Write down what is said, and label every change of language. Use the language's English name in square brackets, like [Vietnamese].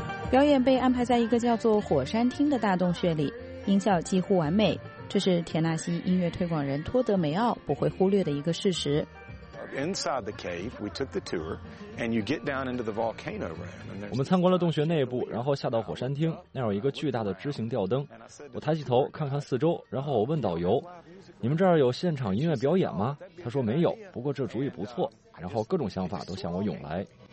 [Chinese] 表演被安排在一个叫做火山厅的大洞穴里，音效几乎完美，这是田纳西音乐推广人托德梅奥不会忽略的一个事实。 [English] Inside the cave, we took the tour, and you get down into the volcano room. [Chinese] 我们参观了洞穴内部，然后下到火山厅，那有一个巨大的直行吊灯。我抬起头看看四周，然后我问导游：“你们这儿有现场音乐表演吗？” 他说：“没有，不过这主意不错。” 然后各种想法都向我涌来。